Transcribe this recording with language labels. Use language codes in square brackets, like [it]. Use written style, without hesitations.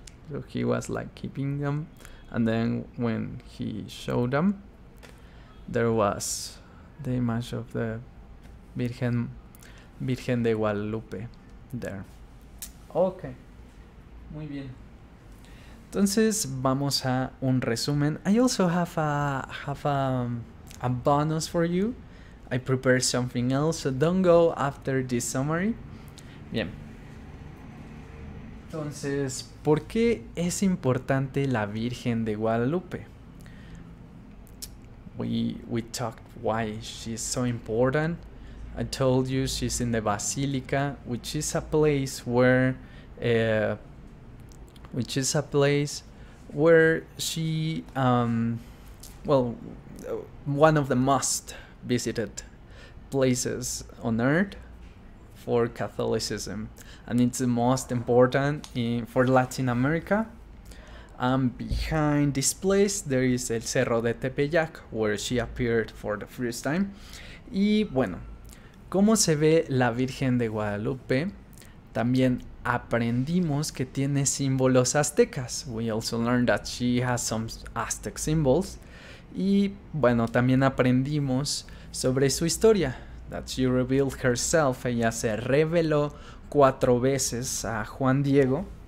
[en] So he was like keeping them, and then when he showed them, there was the image of the Virgen de Guadalupe there. [es] Okay. Muy bien. Entonces vamos a un resumen. [en] I also have a bonus for you. I prepared something else, so don't go after this summary. [es] Bien. Entonces, ¿por qué es importante la Virgen de Guadalupe? [en] We talked why she's so important. I told you she's in the Basilica, which is a place where one of the most visited places on earth for Catholicism, and it's the most important in for Latin America. And behind this place, there is el Cerro de Tepeyac, where she appeared for the first time. [es] Y bueno, ¿cómo se ve la Virgen de Guadalupe? También aprendimos que tiene símbolos aztecas. [en] We also learned that she has some Aztec symbols. [es] Y bueno, también aprendimos sobre su historia. [en] That she revealed herself, [es] ella se reveló cuatro veces a Juan Diego.